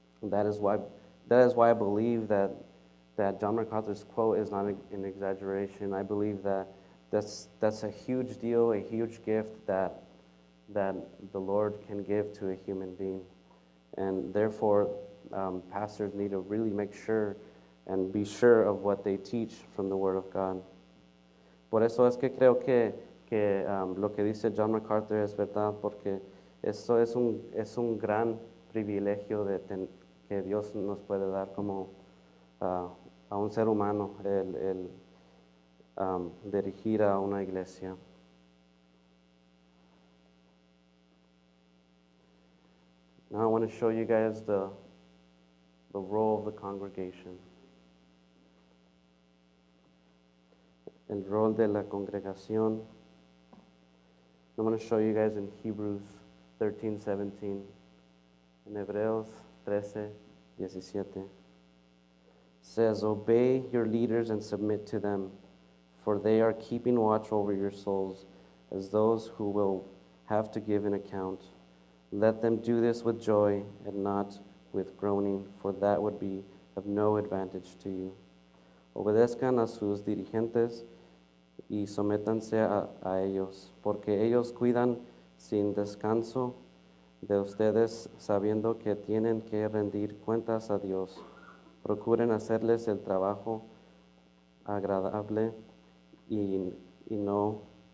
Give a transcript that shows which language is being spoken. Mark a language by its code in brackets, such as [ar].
[en] That is why I believe that John MacArthur's quote is not an exaggeration. I believe that that's a huge deal, a huge gift that the Lord can give to a human being. And therefore, pastors need to really make sure and be sure of what they teach from the Word of God. [es] Por eso es que creo que lo que dice John MacArthur es verdad, porque eso es un gran privilegio que Dios nos puede dar como a un ser humano el dirigir a una iglesia. [en] Now I want to show you guys the role of the congregation. [es] El rol de la congregación. [en] I'm going to show you guys in Hebrews 13, 17. In Hebreos 13, 17. It says, obey your leaders and submit to them, for they are keeping watch over your souls as those who will have to give an account. Let them do this with joy and not with groaning, for that would be of no advantage to you. [es] Obedezcan a sus dirigentes y sométanse a ellos, porque ellos cuidan sin descanso de ustedes, sabiendo que tienen que rendir cuentas a Dios. Procuren hacerles el trabajo agradable y no...